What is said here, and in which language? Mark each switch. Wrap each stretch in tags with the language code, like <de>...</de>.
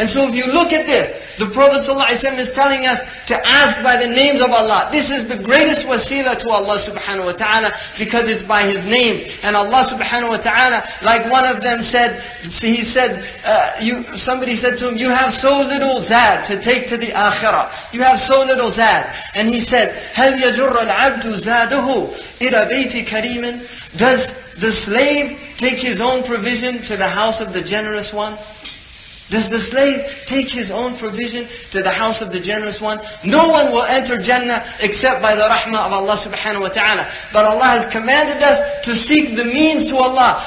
<en>And so if you look at this, the Prophet sallallahu alayhi wa sallam is telling us to ask by the names of Allah. This is the greatest wasila to Allah subhanahu wa ta'ala, because it's by His names. And Allah subhanahu wa ta'ala, like one of them said, he said, somebody said to him, you have so little zad to take to the akhirah. You have so little zad.</en> <ar>And he said, هَلْ يَجُرَّ الْعَبْدُ زَادَهُ إِلَى بَيْتِ كَرِيمٍ.</ar> <en>Does the slave take his own provision to the house of the generous one? Does the slave take his own provision to the house of the generous one? No one will enter Jannah except by the rahmah of Allah subhanahu wa ta'ala. But Allah has commanded us to seek the means to Allah.</en>